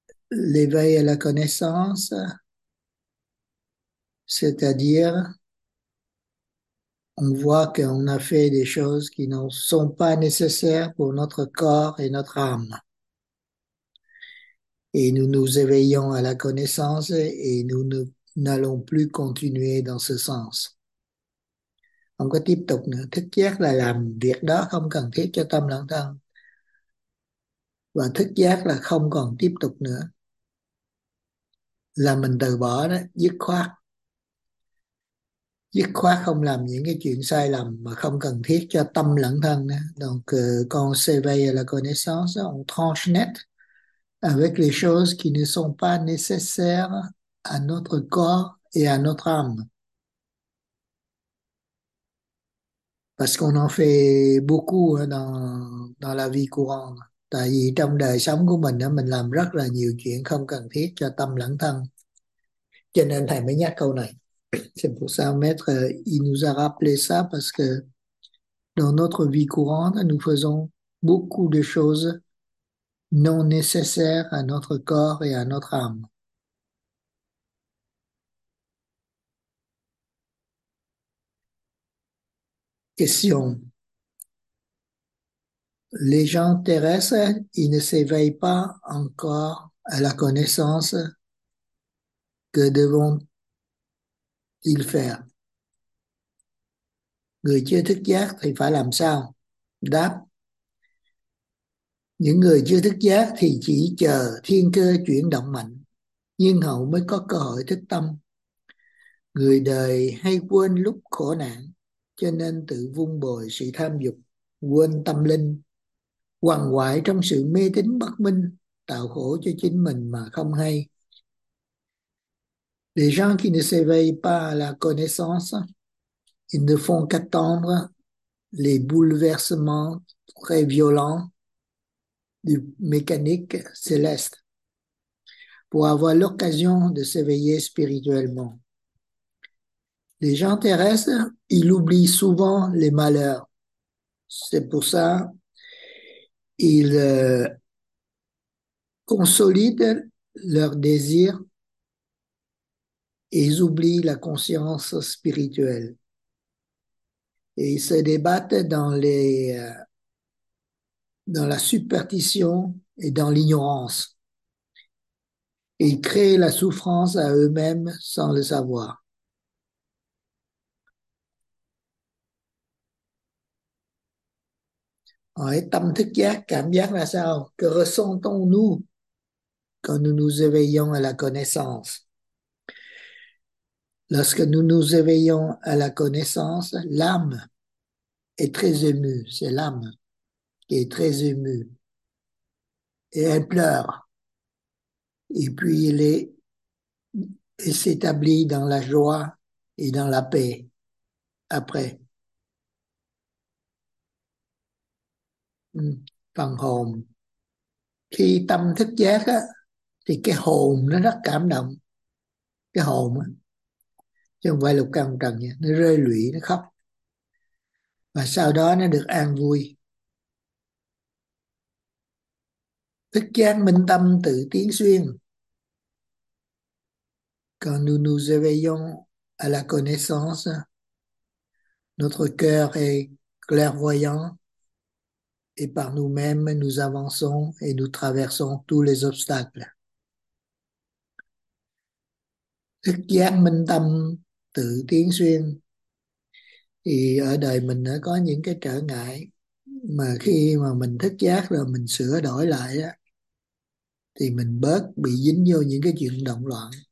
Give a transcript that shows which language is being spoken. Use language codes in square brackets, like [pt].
[fr] L'éveil à la connaissance, c'est-à-dire, on voit qu'on a fait des choses qui ne sont pas nécessaires pour notre corps et notre âme. Et nous nous éveillons à la connaissance et nous n'allons plus continuer dans ce sens. [vi] Không có tiếp tục nữa. Thức giác là làm việc đó không cần thiết cho tâm lẫn thân. Và thức giác là không còn tiếp tục nữa. Là mình từ bỏ đó, dứt khoát. Dứt khoát không làm những cái chuyện sai lầm mà không cần thiết cho tâm lẫn thân. Đó. [fr] Donc, con s'éveille à la connaissance, on tranche net. Avec les choses qui ne sont pas nécessaires à notre corps et à notre âme. Parce qu'on en fait beaucoup dans la vie courante. [vi] Tại vì trong đời sống của mình làm rất là nhiều chuyện không cần thiết cho tâm lẫn thân. Cho nên thầy mới nhắc câu này. [fr] C'est pour ça, maître, il nous a rappelé ça parce que dans notre vie courante, nous faisons beaucoup de choses non nécessaire à notre corps et à notre âme. Question. Les gens terrestres, ils ne s'éveillent pas encore à la connaissance que devons-ils faire? [vi] Người chưa thức giác thì phải làm sao? Đáp: những người chưa thức giác thì chỉ chờ thiên cơ chuyển động mạnh, nhưng họ mới có cơ hội thức tâm. Người đời hay quên lúc khổ nạn, cho nên tự vun bồi sự tham dục, quên tâm linh, quằn quại trong sự mê tín bất minh, tạo khổ cho chính mình mà không hay. [fr] Les gens qui ne s'éveillent pas à la connaissance, ils ne font qu'attendre les bouleversements très violents du mécanique céleste pour avoir l'occasion de s'éveiller spirituellement. Les gens terrestres, ils oublient souvent les malheurs. C'est pour ça qu'ils consolident leur désir et ils oublient la conscience spirituelle. Et ils se débattent dans la superstition et dans l'ignorance. Ils créent la souffrance à eux-mêmes sans le savoir. [vi] Ouais, tâm thức giác, cảm giác là sao? [fr] Que ressentons-nous quand nous nous éveillons à la connaissance? Lorsque nous nous éveillons à la connaissance, l'âme est très émue. C'est l'âme qui est très émue. Et elle pleure. Et puis elle s'établit dans la joie et dans la paix après. [vi] Phần hồn, khi tâm thức giác á thì cái hồn nó rất cảm động, cái hồn á chứ không phải lục căn trần nha, nó rơi lụy, nó khóc và sau đó nó được an vui. Thức giác minh tâm tự tiến xuyên. [fr] Quand nous nous éveillons à la connaissance, notre cœur est clairvoyant. Et par nous-mêmes, nous avançons et nous traversons tous les obstacles. [vi] Thức giác minh tâm tự tiến xuyên. Thì ở đời mình nó có những cái trở ngại mà khi mà mình thức giác rồi mình sửa đổi lại á thì mình bớt bị dính vô những cái chuyện động loạn.